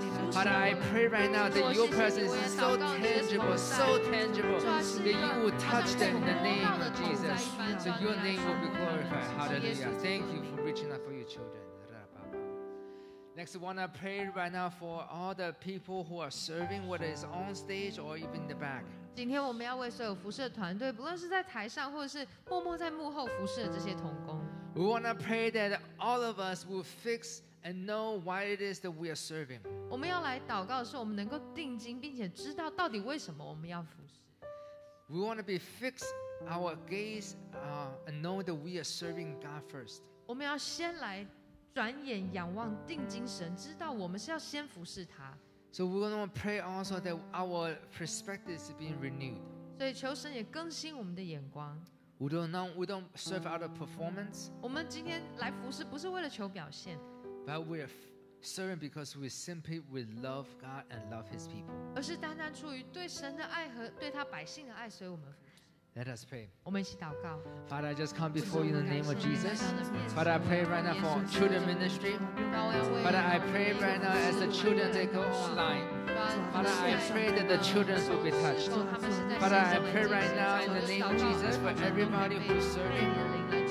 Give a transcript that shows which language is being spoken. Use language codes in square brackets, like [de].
[en] Father, I pray right now that your presence is so tangible, that you will touch them in the name of Jesus. So your name will be glorified. Hallelujah. Thank you for reaching out for your children. Next, I want to pray right now for all the people who are serving, whether it's on stage or even in the back. [zh] 今天我们要为所有服事的团队，不论是在台上或者是默默在幕后服事的这些同工。 [en] We want to pray that all of us will fix and know why it is that we are serving. [zh] 我们要来祷告的是，我们能够定睛，并且知道到底为什么我们要服事。 [en] We want to be fixed our gaze, and know that we are serving God first. [zh] 我们要先来转眼仰望定睛神，知道我们是要先服事他。 [en] So we're going to pray also that our perspective is being renewed. [zh] 所以求神也更新我们的眼光。 [en] We don't serve out of performance. [zh] 我们今天来服事不是为了求表现。 [en] But we're serving because we simply we love God and love His people. [zh] 而是单单出于对神的爱和对他百姓的爱，所以我们。 [en] Let us pray. [zh] 我们一起祷告。 [en] Father, I just come before you in the name of Jesus. Father, I pray right now for children ministry. Father, I pray right now as the children they go online. Father, I pray that the children will be touched. Father, I pray right now in the name of Jesus for everybody who is serving.